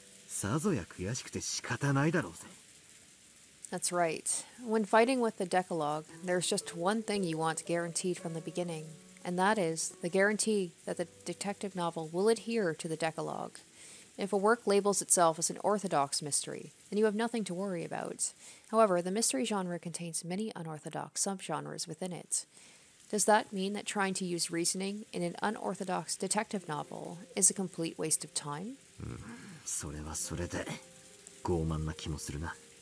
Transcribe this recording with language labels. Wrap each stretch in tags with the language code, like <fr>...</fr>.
<ja>そりゃ糾弾したくもなるだろうな。実界に従い、解けると信じて挑んで。実は解けるようにできてませんでしたってオチだったら、さぞや悔しくて仕方ないだろうぜ。</ja> <en>That's right. When fighting with the Decalogue, there's just one thing you want guaranteed from the beginning, and that is the guarantee that the detective novel will adhere to the Decalogue. If a work labels itself as an orthodox mystery, then you have nothing to worry about. However, the mystery genre contains many unorthodox subgenres within it. Does that mean that trying to use reasoning in an unorthodox detective novel is a complete waste of time?</en> <ja>それはそれで傲慢な気もするな。</ja>